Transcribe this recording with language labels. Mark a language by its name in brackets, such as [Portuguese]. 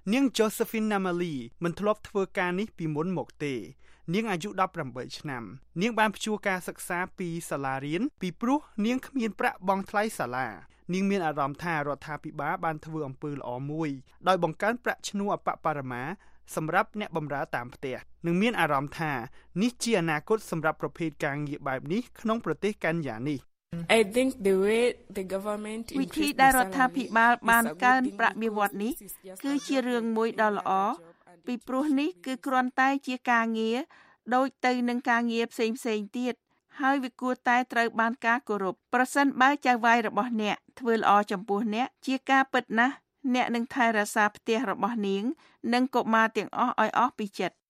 [Khmer] នាង Josephine Namali មិនធ្លាប់ធ្វើការនេះពីមុនមកទេនាងអាយុ18ឆ្នាំនាងបានផ្ជួការសិក្សាពីសាលារៀនពីព្រោះនាងគ្មានប្រាក់បង់ថ្លៃសាលានាងមានអារម្មណ៍ថារដ្ឋាភិបាលបានធ្វើអំពើល្អមួយដោយបង្កើនប្រាក់ឈ្នួលអបបរមាសម្រាប់អ្នកបម្រើតាមផ្ទះនិងមានអារម្មណ៍ថានេះជាអនាគតសម្រាប់ប្រភេទការងារបែបនេះក្នុងប្រទេសកាន់យ៉ាងនេះ [English] I think the way the government increased the [Khmer] salary វិធីដែលរដ្ឋាភិបាលបានកើនប្រាក់បៀវត្សនេះគឺជារឿងមួយដ៏ល្អពីព្រោះនេះគឺគ្រាន់តែជាការងារដូចទៅនឹងការងារផ្សេងៗទៀតហើយវាគួរតែត្រូវបានការគោរពប្រសិនបើចៅហ្វាយរបស់អ្នកធ្វើល្អចំពោះអ្នកជាការពិតណាស់អ្នកនឹងថែរក្សាផ្ទះរបស់នាងនិងកុមារទាំងអស់ឲ្យអស់ពីចិត្ត